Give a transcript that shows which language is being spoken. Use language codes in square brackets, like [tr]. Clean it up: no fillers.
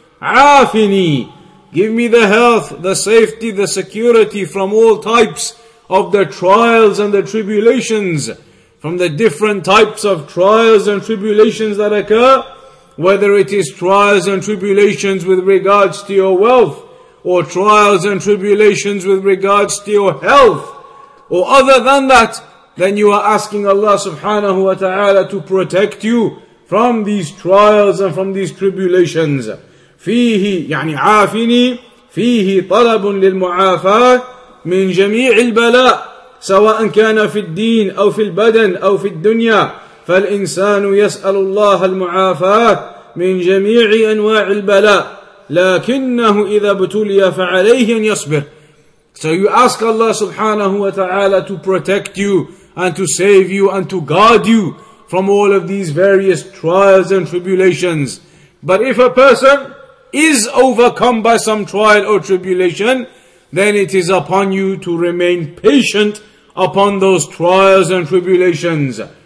[en] Afini, give me the health, the safety, the security from all types of the trials and the tribulations, from the different types of trials and tribulations that occur, whether it is trials and tribulations with regards to your wealth, or trials and tribulations with regards to your health, or other than that, then you are asking Allah subhanahu wa ta'ala to protect you from these trials and from these tribulations. [ar] Fihi, يعني عافني, فيه طلب للمعافاة من جميع البلاء سواء كان في الدين أو في البدن أو في الدنيا فالإنسان يسأل الله المعافاة من جميع أنواع البلاء لكنه إذا ابتلي فعليه أن يصبر. [en] So you ask Allah subhanahu wa ta'ala to protect you and to save you and to guard you from all of these various trials and tribulations. But if a person is overcome by some trial or tribulation, then it is upon you to remain patient upon those trials and tribulations.